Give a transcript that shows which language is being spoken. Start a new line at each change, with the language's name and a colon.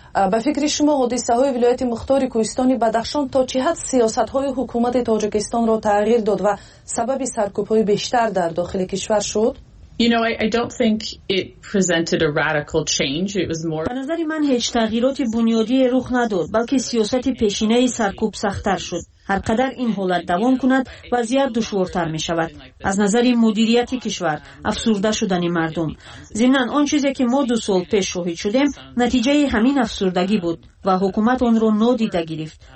Persian: به فکر شما حادثه های ولایت مختار کوهستان بدخشان تا چه حد سیاست های حکومت تاجیکستان را تغییر داد و سبب سرکوب های بیشتر در داخل کشور شد؟
English: I don't think it presented a radical change. It was more
Persian: به نظر من هیچ تغییراتی بنیادی رخ نداد، بلکه سیاست پیشینه سرکوب سخت‌تر شد. هر قدر این حالت دوام کند وضعیت دشوارتر می شود از نظر مدیریت کشور، افسرده شدن مردم. ضمناً آن چیزی که ما دو سال پیش شاهد شدیم نتیجه همین افسردگی بود و حکومت آن را نادیده گرفت.